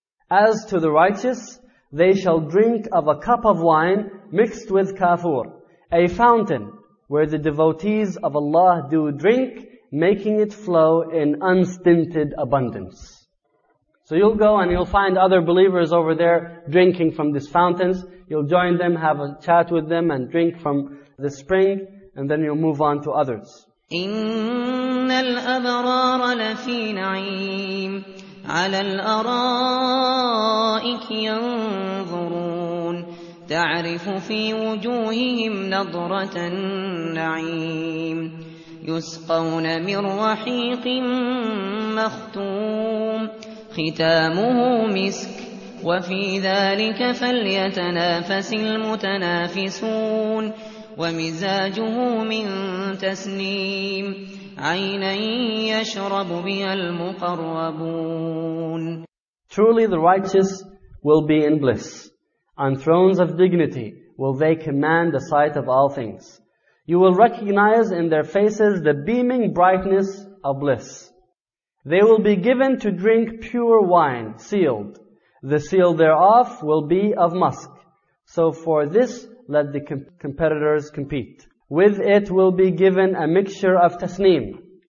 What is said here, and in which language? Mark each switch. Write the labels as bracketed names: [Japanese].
[English] As to the righteous, they shall drink of a cup of wine mixed with kafur, a fountain where the devotees of Allah do drink, making it flow in unstinted abundance. So you'll go and you'll find other believers over there drinking from these fountains. You'll join them, have a chat with them, and drink from the spring, and then you'll move on to others. [Arabic] إِنَّ الْأَبْرَارَ لَفِي نَعِيمٍ عَلَى الْأَرَائِكِ يَنْظُرُونَ تَعْرِفُ فِي وُجُوهِهِمْ نَضْرَةَ النَّعِيمِ يُسْقَوْنَ مِنْ رَحِيقٍ مَخْتُومٍ ختامه مسك وفي ذلك فليتنافس المتنافسون ومزاجه من تسنيم عينا يشرب بها المقربون. [English] Truly the righteous will be in bliss. On thrones of dignity will they command the sight of all things. You will recognize in their faces the beaming brightness of bliss. They will be given to drink pure wine, sealed. The seal thereof will be of musk. So for this, let the competitors compete. With it will be given a mixture of tasneem,